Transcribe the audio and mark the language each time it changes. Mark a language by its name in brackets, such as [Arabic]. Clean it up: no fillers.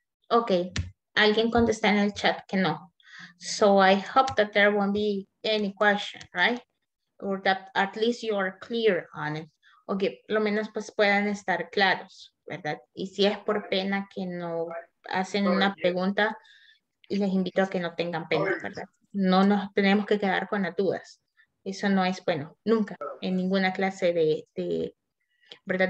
[Spanish] Okay, alguien contesta en el chat que no. [English] So I hope that there won't be any question, right? Or that at least you are clear on it. [Spanish] Okay, lo menos pues puedan estar claros, ¿verdad? Y si es por pena que no hacen una pregunta, les invito a que no tengan pena, ¿verdad? No nos tenemos que quedar con las dudas. Eso no es bueno, nunca, en ninguna clase de ¿verdad?